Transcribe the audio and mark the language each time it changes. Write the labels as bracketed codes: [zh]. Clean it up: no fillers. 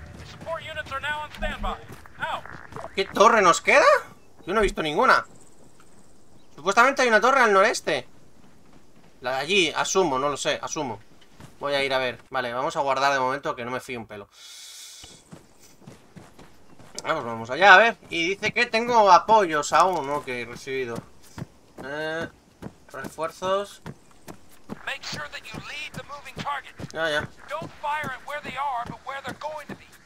[en] Support units are now on standby. [es] ¿Qué torre nos queda? Yo no he visto ninguna. Supuestamente hay una torre al noreste. La de allí, asumo, no lo sé, asumo. Voy a ir a ver. Vale, vamos a guardar de momento que no me fío un pelo. Vamos, vamos allá, a ver. Y dice que tengo apoyos aún, ¿no? Que he recibido. Refuerzos. [en] Make sure that you lead the moving target. [es] Ya, ya. [en] Don't fire at where they are, but where they're going to be.